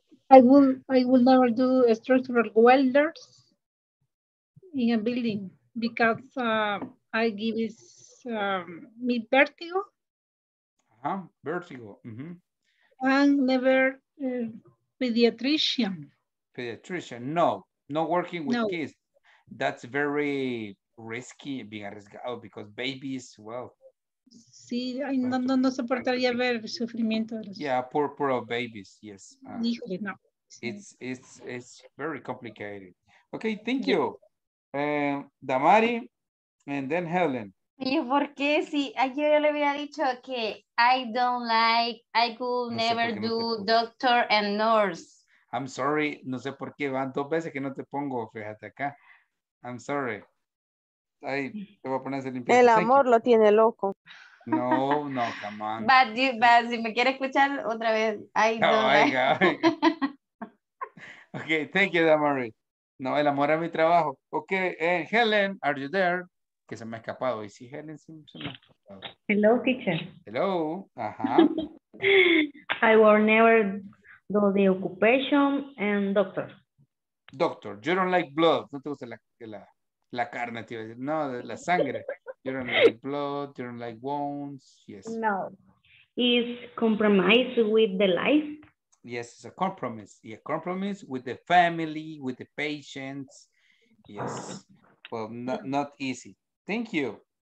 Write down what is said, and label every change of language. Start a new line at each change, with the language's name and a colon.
English: I will never do structural welders in a building because I give it mi vertigo. Uh-huh. Vertigo. Mm-hmm. And never pediatrician. Pediatrician, no. No working with kids. That's very risky, being arriesgado, because babies, well.
Spanish: Sí, no soportaría ver el sufrimiento de los...
English: Yeah, poor of babies, yes.
Spanish: Híjole, no.
English: It's very complicated. Okay, thank you. Damari, and then Helen.
Spanish: ¿Y por qué? Sí, ayer yo le había dicho que
English: I don't like, I could no never do doctor and nurse. I'm sorry,
Spanish: no sé por qué van dos veces que no te pongo, fíjate acá. I'm sorry. Ay, te voy a poner ese limpio. El amor lo tiene loco.
English: No, no, come on.
Spanish: But si me quiere escuchar otra vez, ay, no. Oiga,
English: oiga. Okay, thank you, Damari.
Spanish: No, el amor es mi trabajo. Okay, Helen,
English: are you there?
Spanish: Que se me ha escapado. Y sí, Helen, sí, se me ha escapado.
English: Hello, teacher. Hello. Ajá. I will never do the occupation and doctor. Doctor, you don't like blood.
Spanish: No te gusta la carne, te iba a decir. No, la sangre.
English: You don't like blood, you don't like wounds. Yes. No. Is compromise with the life? Yes, it's a compromise. Yeah, compromise with the family, with the patients. Yes. Well, not easy. Thank you.